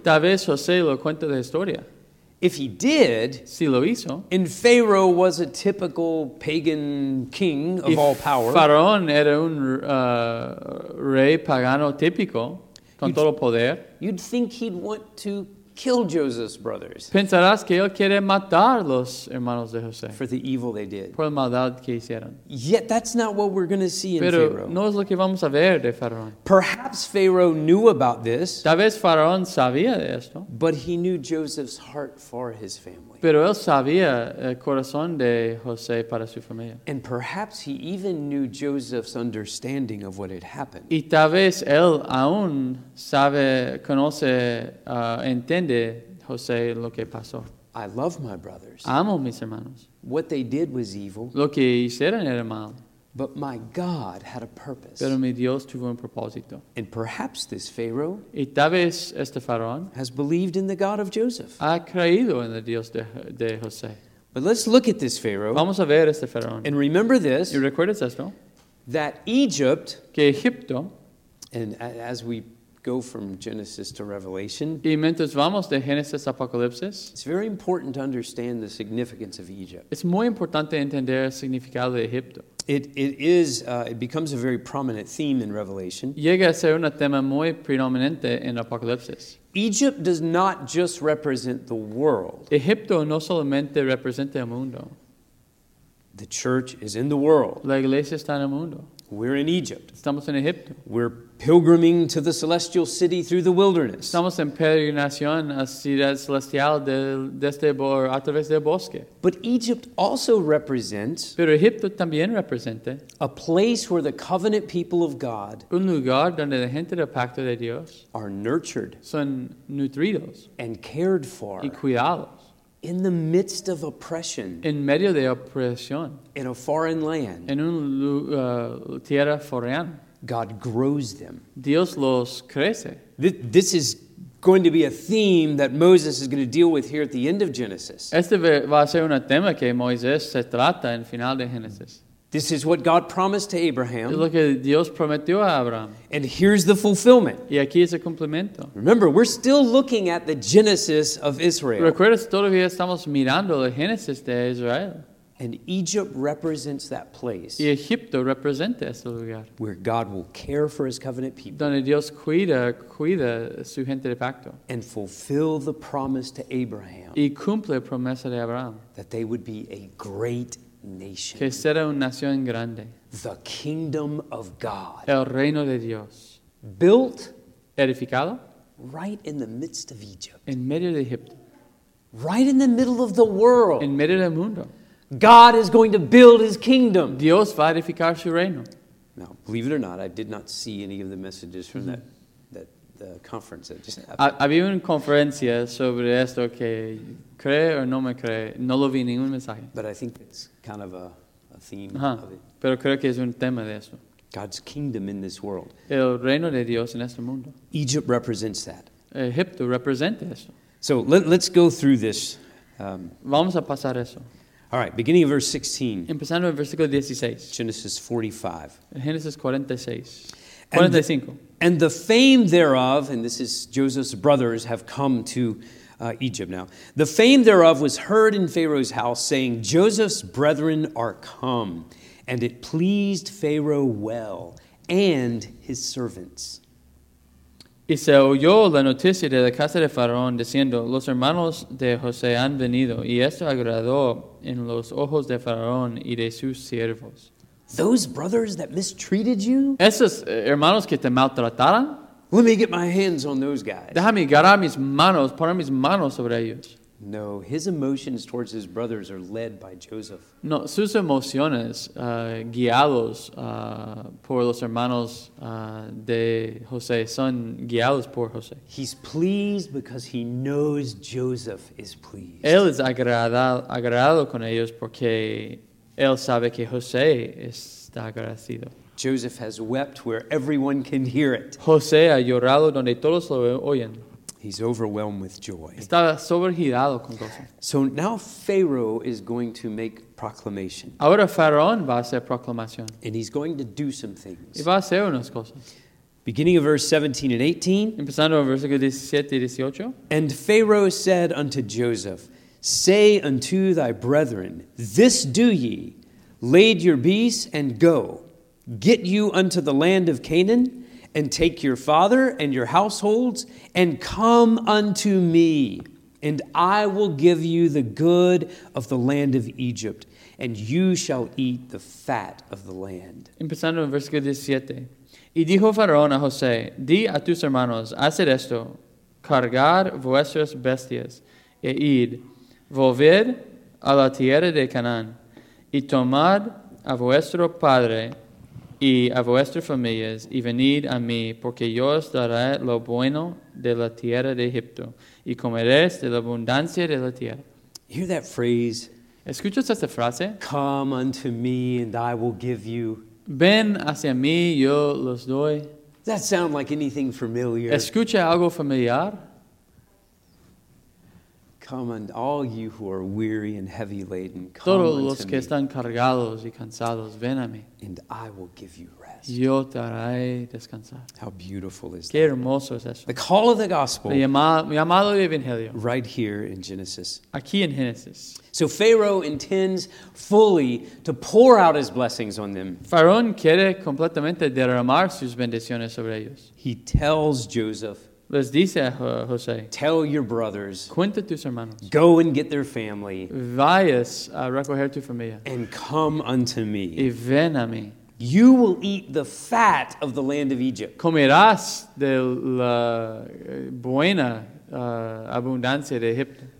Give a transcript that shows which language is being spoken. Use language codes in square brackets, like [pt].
[es] Tal vez José lo cuenta la historia. [en] If he did, [es] si lo hizo, [en] and Pharaoh was a typical pagan king of all power, [es] faraón era un rey pagano típico con todo poder, [en] you'd think he'd want to kill Joseph's brothers. [es] Pensarás que él quiere matar los hermanos de José [en] for the evil they did. [es] Por la maldad que hicieron. [en] Yet that's not what we're going to see [es] pero [en] in Pharaoh. [es] No es lo que vamos a ver de faraón. [en] Perhaps Pharaoh knew about this. [es] Tal vez faraón sabía de esto. [en] But he knew Joseph's heart for his family. [es] Pero él sabía el corazón de José para su familia. [en] And perhaps he even knew Joseph's understanding of what had happened. [es] Y tal vez él aún sabe, conoce, entiende José lo que pasó. [en] I love my brothers. [es] Amo mis hermanos. [en] What they did was evil. [es] Lo que hicieron era mal. [en] But my God had a purpose. [es] Pero mi Dios tuvo un propósito. [en] And perhaps this Pharaoh, [es] y tal vez este faraón, [en] has believed in the God of Joseph. [es] Ha creído en el Dios de José. [en] But let's look at this Pharaoh. [es] Vamos a ver este faraón. [en] And remember this. [es] ¿Y recuerdas esto? [en] That Egypt, [es] que Egipto, [en] and as we go from Genesis to Revelation, [es] y mientras vamos de Génesis a Apocalipsis, [en] it's very important to understand the significance of Egypt. [es] Es muy importante entender el significado de Egipto. [en] It becomes a very prominent theme in Revelation. [es] Llega a ser un tema muy predominante en Apocalipsis. [en] Egypt does not just represent the world. [es] Egipto no solamente representa el mundo. [en] The church is in the world. [es] La iglesia está en el mundo. [en] We're in Egypt. [es] Estamos en Egipto. [en] We're pilgriming to the celestial city through the wilderness. [es] Estamos en peregrinación a ciudad celestial a través del bosque. [en] But Egypt also represents. [es] Pero Egipto también representa. [en] A place where the covenant people of God. [es] Un lugar donde la gente del pacto de Dios. [en] Are nurtured. [es] Son nutridos. [en] And cared for. [es] Y cuidados. [en] In the midst of oppression. [es] En medio de opresión. [en] In a foreign land. [es] En un tierra foreana. [en] God grows them. [es] Dios los crece. [en] This is going to be a theme that Moses is going to deal with here at the end of Genesis. [es] Este va a ser un tema que Moisés se trata en final de Génesis. [en] This is what God promised to Abraham. [es] Lo que Dios prometió a Abraham. [en] And here's the fulfillment. [es] Y aquí es el cumplimiento. [en] Remember, we're still looking at the Genesis of Israel. [es] ¿Recuerdas? Todavía estamos mirando la Génesis de Israel. [en] And Egypt represents that place. [es] Y Egipto representa ese lugar. [en] Where God will care for his covenant people. [es] Donde Dios cuida su gente de pacto. [en] And fulfill the promise to Abraham. [es] Y cumple la promesa de Abraham. [en] That they would be a great nation. [es] Que será una nación grande. [en] The kingdom of God. [es] El reino de Dios. [en] Built. [es] Edificado. [en] Right in the midst of Egypt. [es] En medio de Egipto. [en] Right in the middle of the world. [es] En medio del mundo. [en] God is going to build his kingdom. [es] Dios va a edificar su reino. [en] Now, believe it or not, I did not see any of the messages from the conference that just happened. [es] Había una conferencia sobre esto que cree o no me cree. No lo vi ningún mensaje. [en] But I think it's kind of a theme of it. [es] Pero creo que es un tema de eso. [en] God's kingdom in this world. [es] El reino de Dios en este mundo. [en] Egypt represents that. [es] Egipto representa eso. [en] So let's go through this. [es] Vamos a pasar eso. [en] All right, beginning of verse 16. [es] Empezando en versículo 16. [en] Genesis 45. [es] Genesis 46. 45. [en] And the fame thereof, and this is Joseph's brothers have come to Egypt now. The fame thereof was heard in Pharaoh's house, saying, Joseph's brethren are come. And it pleased Pharaoh well, and his servants. [es] Y se oyó la noticia de la casa de Faraón, diciendo, los hermanos de José han venido, y esto agradó en los ojos de Faraón y de sus siervos. [en] Those brothers that mistreated you? [es] Esos hermanos que te maltrataron? [en] Let me get my hands on those guys. [es] Déjame agarrar mis manos, poner mis manos sobre ellos. [en] No, his emotions towards his brothers are led by Joseph. [es] No, sus emociones guiados por los hermanos de José son guiados por José. [en] He's pleased because he knows Joseph is pleased. [es] Él es agradado con ellos porque él sabe que José está agradecido. [en] Joseph has wept where everyone can hear it. [es] José ha llorado donde todos lo oyen. [en] He's overwhelmed with joy. [es] Estaba sobregirado con gozo. [en] So now Pharaoh is going to make proclamation. [es] Ahora Faraón va a hacer proclamación. [en] And he's going to do some things. [es] Y va a hacer unas cosas. [en] Beginning of verse 17 and 18. [es] Empezando en versículo 17 y 18. [en] And Pharaoh said unto Joseph, say unto thy brethren, this do ye, lade your beasts and go, get you unto the land of Canaan, and take your father and your households, and come unto me, and I will give you the good of the land of Egypt, and you shall eat the fat of the land. [es] Empezando en versículo 17. Y dijo Faraón a José, di a tus hermanos, haced esto, cargar vuestras bestias, e id, volved a la tierra de Canaán, y tomad a vuestro padre, y a vuestras familias, y venid a mí, porque yo os daré lo bueno de la tierra de Egipto, y comeréis de la abundancia de la tierra. [en] Hear that phrase? [es] ¿Escuchas esta frase? [en] Come unto me and I will give you. [es] Ven hacia mí, yo los doy. [en] Does that sound like anything familiar? [es] ¿Escucha algo familiar? [en] Come and all you who are weary and heavy laden, come unto me. [es] Todos los que están cargados y cansados, ven a mí. [en] And I will give you rest. [es] Yo te haré descansar. [en] How beautiful is that? [es] Qué hermoso es eso. [en] The call of the gospel. [es] Llamado de evangelio. [en] Right here in Genesis. [es] Aquí en Génesis. [en] So Pharaoh intends fully to pour out his blessings on them. [es] Faraón quiere completamente derramar sus bendiciones sobre ellos. [en] He tells Joseph. [es] Les dice a José. [en] Tell your brothers. [es] Cuenta tus hermanos. [en] Go and get their family. [es] Vayas a recoger tu familia. [en] And come unto me. [es] Y ven a mí. [en] You will eat the fat of the land of Egypt. [es] Comerás de la buena abundancia de Egipto.